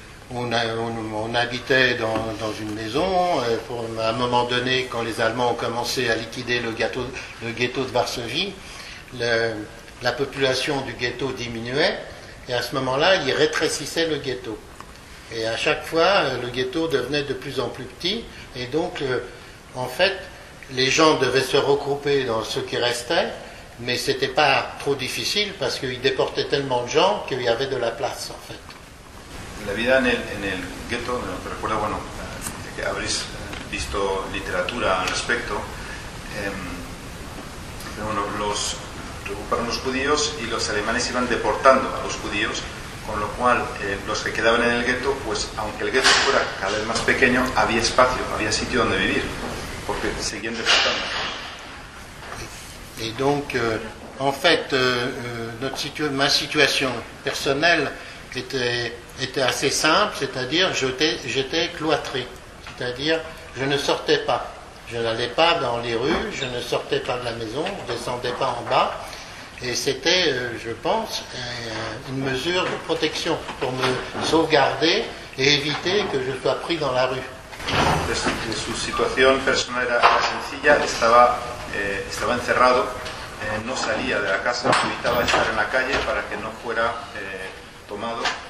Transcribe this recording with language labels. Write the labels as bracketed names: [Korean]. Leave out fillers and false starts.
[French] On habitait dans une maison, pour, à un moment donné, quand les Allemands ont commencé à liquider le ghetto de Varsovie, la population du ghetto diminuait, et à ce moment-là, ils rétrécissaient le ghetto. Et à chaque fois, le ghetto devenait de plus en plus petit, et donc, en fait, les gens devaient se regrouper dans ce qui restait, mais ce n'était pas trop difficile, parce qu'ils déportaient tellement de gens qu'il y avait de la place, en fait. [Spanish] La vida en el gueto, no te recuerdo, bueno, que habréis visto literatura al respecto, ocuparon los judíos y los alemanes iban deportando a los judíos, con lo cual los que quedaban en el gueto, pues aunque el gueto fuera cada vez más pequeño, había espacio, había sitio donde vivir, porque seguían deportando. [French] Y donc, en fait, ma [Spanish] situación personal [French] était assez simple, c'est-à-dire j'étais cloîtré, c'est-à-dire je ne sortais pas, je n'allais pas dans les rues, je ne sortais pas de la maison, je ne descendais pas en bas, et c'était, je pense, une mesure de protection pour me sauvegarder et éviter que je sois pris dans la rue. [Spanish] Su situación personal era sencilla, estaba encerrado, no salía de la casa, evitaba estar en la calle para que no fuera tomado.